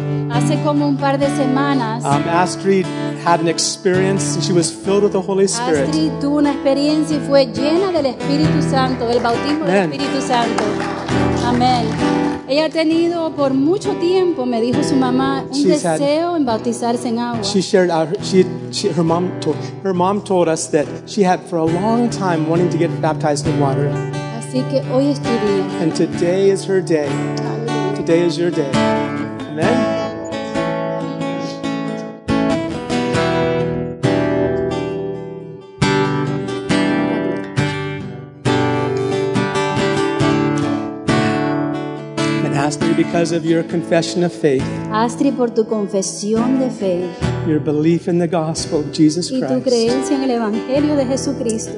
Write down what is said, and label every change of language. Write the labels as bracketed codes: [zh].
[es] hace como un par de semanas, [en] Astrid had an experience and she was filled with the Holy Spirit. [es] Astrid tuvo una experiencia y fue llena del Espíritu Santo, del bautismo del Espíritu Santo. Amén. Ella ha tenido por mucho tiempo, me dijo su mamá, un deseo en bautizarse en agua. [en] She shared her mom told us that she had for a long time wanting to get baptized in water. [es] Así que hoy es tu día. [en] And today is her day. Today is your day. Amen. And Astrid, because of your confession of faith, [es] Astrid, por tu confesión de fe, [en] your belief in the gospel of Jesus [es] y tu creencia en el evangelio de Jesucristo,